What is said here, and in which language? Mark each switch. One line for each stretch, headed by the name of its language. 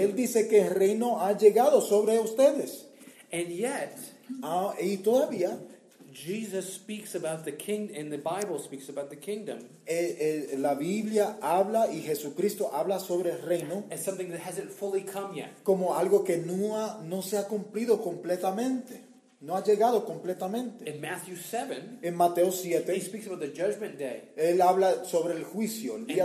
Spanish: Él dice que el reino ha llegado sobre ustedes.
English: And yet,
Spanish: y todavía,
English: Jesus speaks about the king, and the Bible speaks about the kingdom.
Spanish: La Biblia habla y Jesucristo habla sobre el reino.
English: As something that hasn't fully come yet.
Spanish: Como algo que no se ha cumplido completamente. No ha llegado completamente.
English: In Matthew 7,
Spanish: en Mateo 7,
English: he speaks about the judgment day.
Spanish: Él habla sobre el juicio, el día